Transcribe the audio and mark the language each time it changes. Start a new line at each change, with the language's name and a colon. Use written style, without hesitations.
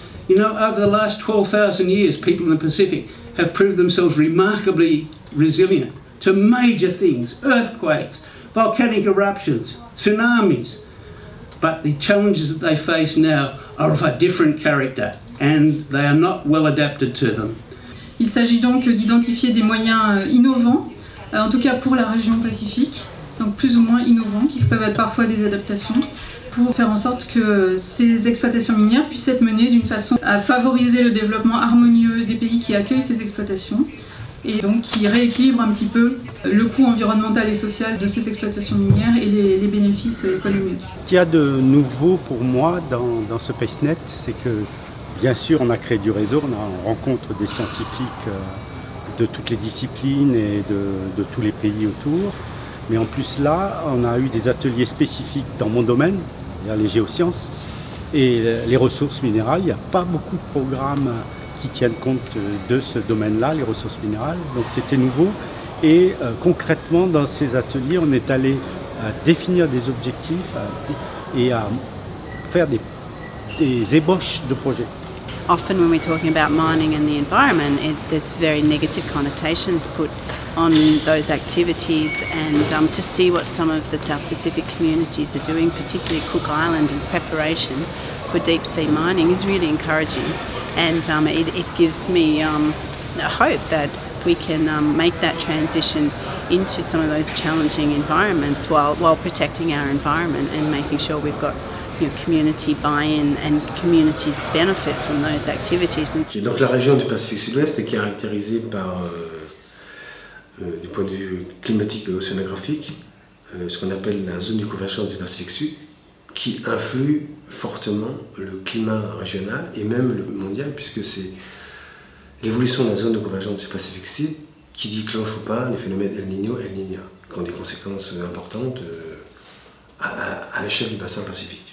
English: You know, over the last 12,000 years, people in the Pacific have proved themselves remarkably resilient to major things, earthquakes, volcanic eruptions, tsunamis. But the challenges that they face now are of a different character, and they are not well adapted to them.
French: Il s'agit donc d'identifier des moyens innovants, en tout cas pour la région Pacifique, donc plus ou moins innovants, qui peuvent être parfois des adaptations, pour faire en sorte que ces exploitations minières puissent être menées d'une façon à favoriser le développement harmonieux des pays qui accueillent ces exploitations, et donc qui rééquilibre un petit peu le coût environnemental et social de ces exploitations minières et les bénéfices économiques. Ce qu'il y a de nouveau pour moi dans ce PaceNet, c'est que bien sûr, on a créé du réseau, on rencontre des scientifiques de toutes les disciplines et de tous les pays autour. Mais en plus là, on a eu des ateliers spécifiques dans mon domaine, les géosciences et les ressources minérales. Il n'y a pas beaucoup de programmes qui tiennent compte de ce domaine-là, les ressources minérales. Donc c'était nouveau. Et concrètement, dans ces ateliers, on est allé définir des objectifs et à faire des ébauches de projets.
English: often when we're talking about mining and the environment, there's very negative connotations put on those activities, and to see what some of the South Pacific communities are doing, particularly Cook Island, in preparation for deep sea mining is really encouraging, and it gives me hope that we can make that transition into some of those challenging environments while protecting our environment and making sure we've got community buy-in and communities benefit from those activities.
French: Et donc la région du Pacifique Sud-Ouest est caractérisée par, du point de vue climatique et océanographique, ce qu'on appelle la zone de convergence du Pacifique Sud, qui influe fortement le climat régional et même le mondial, puisque c'est l'évolution de la zone de convergence du Pacifique Sud qui déclenche ou pas les phénomènes El Niño et El Niña, qui ont des conséquences importantes à l'échelle du bassin pacifique.